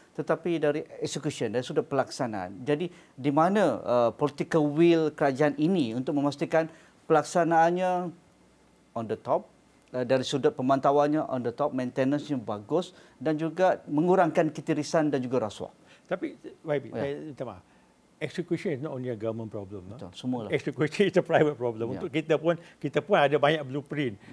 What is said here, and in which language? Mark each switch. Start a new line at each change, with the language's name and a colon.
Malay: Tetapi dari execution, dari sudut pelaksanaan. Jadi, di mana political will kerajaan ini untuk memastikan pelaksanaannya
English: on the top,
Malay: dari sudut pemantauannya on the top, maintenance-nya bagus dan juga mengurangkan ketirisan dan juga rasuah. Tapi YB,
English: execution is not only a government problem.
Malay: Betul, semualah.
English: Execution is a private problem.
Malay: Yeah. Untuk kita pun ada banyak blueprint.